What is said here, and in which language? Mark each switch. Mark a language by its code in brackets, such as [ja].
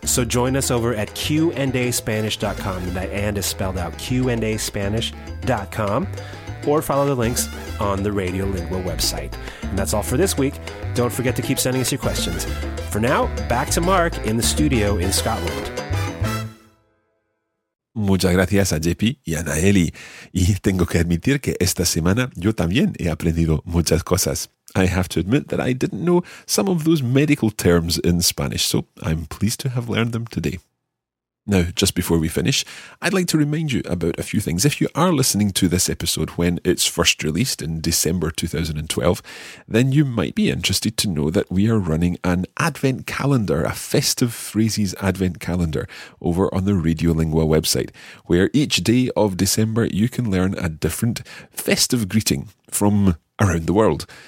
[en] So join us over at QandASpanish.com. That and is spelled out QandASpanish.com. Or follow the links on the Radiolingua website. And that's all for this week. Don't forget to keep sending us your questions. For now, back to Mark in the studio in Scotland. [es] Muchas gracias a JP y a Naeli. Y tengo que admitir que esta semana yo también he aprendido muchas cosas. [en] I have to admit that I didn't know some of those medical terms in Spanish, so I'm pleased to have learned them today. Now, just before we finish, I'd like to remind you about a few things. If you are listening to this episode when it's first released in December 2012, then you might be interested to know that we are running an advent calendar, a festive phrases advent calendar, over on the Radiolingua website, where each day of December you can learn a different festive greeting from around the world.